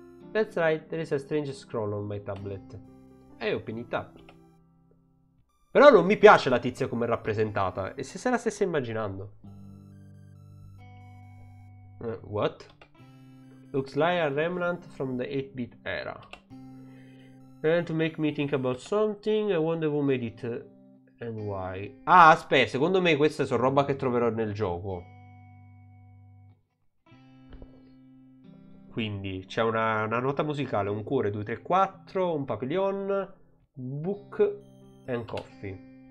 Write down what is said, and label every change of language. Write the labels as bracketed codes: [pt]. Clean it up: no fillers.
[en] That's right, there is a strange scroll on my tablet. E open it up. [it] Però non mi piace la tizia come rappresentata. E se se la stesse immaginando? [en] What? Looks like a remnant from the 8-bit era. And to make me think about something, I wonder who made it. And why? [it] Ah, aspetta, secondo me queste sono roba che troverò nel gioco. Quindi c'è una nota musicale, un cuore, 2, 3, 4, un papillon, [en] book and coffee.